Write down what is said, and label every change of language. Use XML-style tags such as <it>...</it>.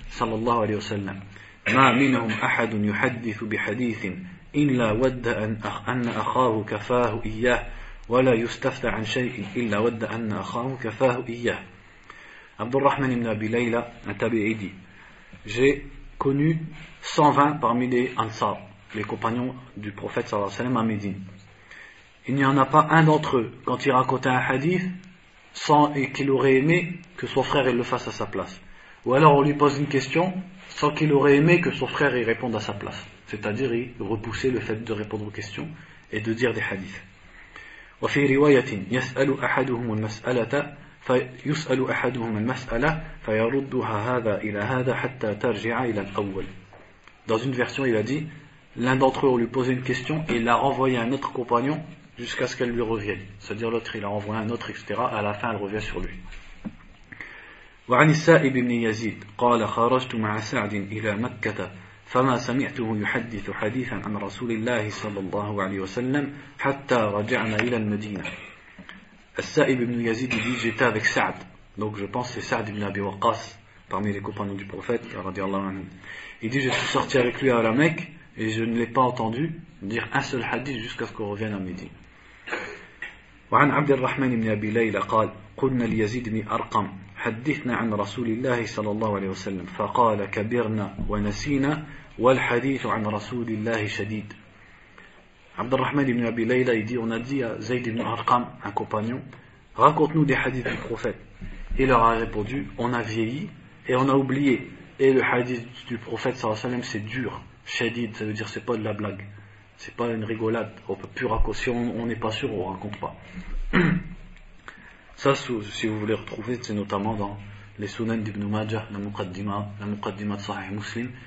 <ar>صلى الله عليه وسلم ما منهم أحد يحدث بحديث إلا ود أن أخاه كفاه إياه ولا يستفتى عن شيء إلا ود أن أخاه كفاه إياه.</ar> <fr>عبد الرحمن بن أبي ليلى تابعي دي j'ai connu 120 parmi les Ansar, les compagnons du prophète</fr> <ar>صلى الله عليه وسلم</ar> <fr>à Médine. Il n'y en a pas un d'entre eux quand il racontait un hadith sans et qu'il aurait aimé que son frère il le fasse à sa place. Ou alors on lui pose une question sans qu'il aurait aimé que son frère y réponde à sa place. C'est-à-dire, il repoussait le fait de répondre aux questions et de dire des hadiths.</fr> <ar>وفي رواية يسأل أحدهم المسألة فيسأل أحدهم المسألة فيردها هذا إلى هذا حتى ترجع إلى الأول.</ar> <fr>Dans une version, il a dit, l'un d'entre eux lui posait une question et l'a renvoyé à un autre compagnon jusqu'à ce qu'elle lui revienne. C'est-à-dire, l'autre, il a renvoyé à un autre, etc. À la fin, elle revient sur lui.</fr> <ar>وعن السائب بن يزيد قال خرجت مع سعد إلى مكة فما سمعته يحدث حديثا عن رسول الله صلى الله عليه وسلم حتى رجعنا إلى المدينة.</ar> <fr>السائب بن يزيد dit j'étais avec Sa'd, donc je pense c'est Sa'd ibn Abi Waqqas parmi les compagnons du prophète</fr> <ar>رضي الله عنه.</ar> <fr>Il dit je suis sorti avec lui à la Mecque et je ne l'ai pas entendu dire un seul hadith jusqu'à ce qu'on revienne à Médine.</fr> <ar>وعن عبد الرحمن بن أبي ليلى قال قلنا ليزيد بن أرقم حدثنا عن رسول الله صلى الله عليه وسلم فقال كبرنا ونسينا والحديث عن رسول الله شديد.</ar> <fr>عبد الرحمن بن أبي ليلى يدي ونادي زيد بن أرقم un compagnon raconte-nous des hadiths du prophète. Il leur a répondu on a vieilli et on a oublié et le hadith du prophète</fr> <ar>صلى الله عليه وسلم</ar> <fr>c'est dur, شديد, ça veut dire c'est pas de la blague, c'est pas une rigolade, on peut plus raconter, si on n'est pas sûr on raconte pas. Ça, si vous voulez retrouver, c'est notamment dans les Sunan d'Ibn Majah, la Muqaddima de Sahih Muslim.</fr>